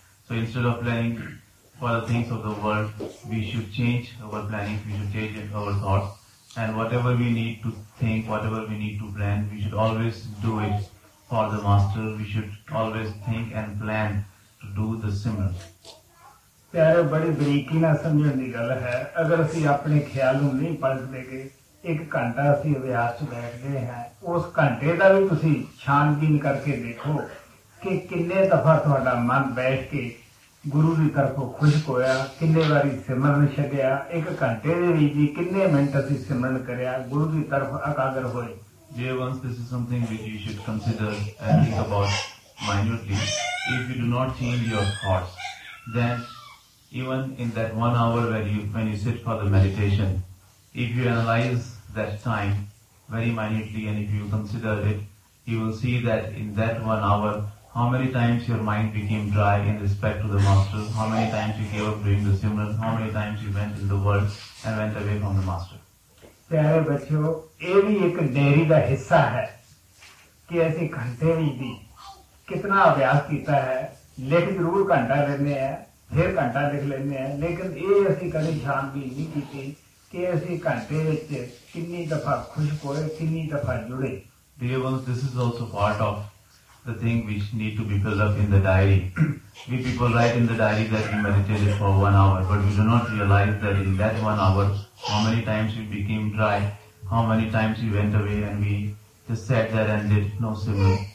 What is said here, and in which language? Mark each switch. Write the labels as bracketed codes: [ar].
[en] So instead of planning for the things of the world, we should change our planning, we should change our thoughts. And whatever we need to think, whatever we need to plan, we should always do it. For the master, we should always think and plan to do the similar. [pa] ਪਿਆਰੇ ਬੜੀ ਬਰੀਕੀ ਨਾਲ ਸਮਝਣ ਦੀ ਗੱਲ ਹੈ ਅਗਰ ਅਸੀਂ ਆਪਣੇ ਖਿਆਲ ਨੂੰ ਨਹੀਂ ਪਲਟਦੇ ਗਏ ਇੱਕ ਘੰਟਾ ਅਸੀਂ ਅਭਿਆਸ ਚ ਬੈਠਦੇ ਹਾਂ ਉਸ ਘੰਟੇ ਦਾ ਵੀ ਤੁਸੀਂ ਛਾਨਬੀਨ ਕਰਕੇ ਦੇਖੋ ਕਿ ਕਿੰਨੇ ਦਫ਼ਾ ਤੁਹਾਡਾ ਮਨ ਬੈਠ ਕੇ ਗੁਰੂ ਦੀ ਤਰਫੋਂ ਖੁਸ਼ਕ ਹੋਇਆ ਕਿੰਨੇ ਵਾਰੀ ਸਿਮਰਨ ਛੱਡਿਆ ਇੱਕ ਘੰਟੇ ਦੇ ਵਿੱਚ ਜੀ ਕਿੰਨੇ ਮਿੰਟ ਅਸੀਂ ਸਿਮਰਨ ਕਰਿਆ ਗੁਰੂ ਦੀ ਤਰਫ ਅਕਾਗਰ ਹੋਏ [en] Dear ones, this is something which you should consider and think about minutely. If you do not change your thoughts, then even in that 1 hour when you sit for the meditation, if you analyze that time very minutely and if you consider it, you will see that in that 1 hour, how many times your mind became dry in respect to the Master, how many times you gave up doing the Simran, how many times you went in the world and went away from the Master. [pa] ਪਿਆਰੇ ਬੱਚਿਓ ਇਹ ਵੀ ਇੱਕ dairy ਦਾ ਹਿੱਸਾ ਹੈ ਕਿ ਅਸੀਂ ਘੰਟੇ ਵਿੱਚ ਵੀ ਕਿਤਨਾ ਅਭਿਆਸ ਕੀਤਾ ਹੈ ਲਿਖ ਜ਼ਰੂਰ ਘੰਟਾ ਲੈਂਦੇ ਹਾਂ ਫਿਰ ਘੰਟਾ ਲਿਖ ਲੈਂਦੇ ਹਾਂ ਲੇਕਿਨ ਇਹ ਅਸੀਂ ਕਦੇ ਛਾਨਬੀਨ ਨਹੀਂ ਕੀਤੀ ਕਿ ਅਸੀਂ ਘੰਟੇ ਵਿੱਚ ਕਿੰਨੀ ਦਫ਼ਾ ਖੁਸ਼ਕ ਹੋਏ ਕਿੰਨੀ ਦਫ਼ਾ ਜੁੜੇ [en] Dear ones, this is also part of the thing which need to be filled up in the diary. We people write in the diary that we meditated for 1 hour, but we do not realize that in that 1 hour, how many times we became dry, how many times we went away and we just sat there and did no similar.